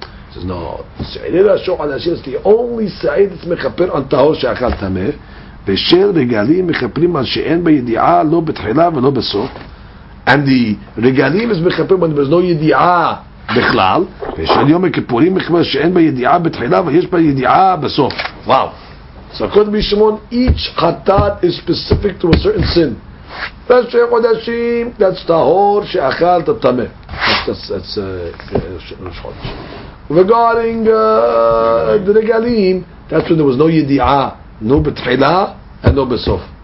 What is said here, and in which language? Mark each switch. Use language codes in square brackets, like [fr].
[en] He says, no, [he] Se'irei Rashi Chodashim is the only Se'ir that's Mechaper on Tahor Shechal Tameh, Veshel Regalim Mechaperim on She'en Be'yidi'ah, Lo Betchila Velo Besof, and the Regalim is Mechaper when there is no Yidi'ah בכלל, ושאני יום הכיפורים מכבר שאין בה ידיעה בתחילה ויש בה ידיעה בסוף. וואו. [en] So according to Rabbi Shimon, each chatat is specific to a certain sin. That's [he] שיהיה חודשים, [en] that's [he] טהור שאכל את הטמא. [en] That's ראש חודש. Regarding the regalim, that's when there was no ידיעה, no בתחילה and no בסוף.